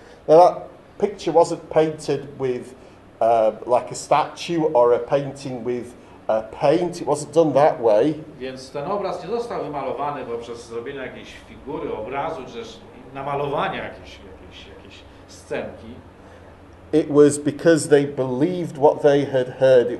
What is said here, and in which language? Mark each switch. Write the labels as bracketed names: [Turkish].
[English] Now that picture wasn't painted with like a statue or a painting with paint, it wasn't done that way. [Polish] Więc ten obraz nie został wymalowany poprzez zrobienie jakiejś figury, obrazu, czy też namalowania jakiejś scenki. [English] It was because they believed what they had heard.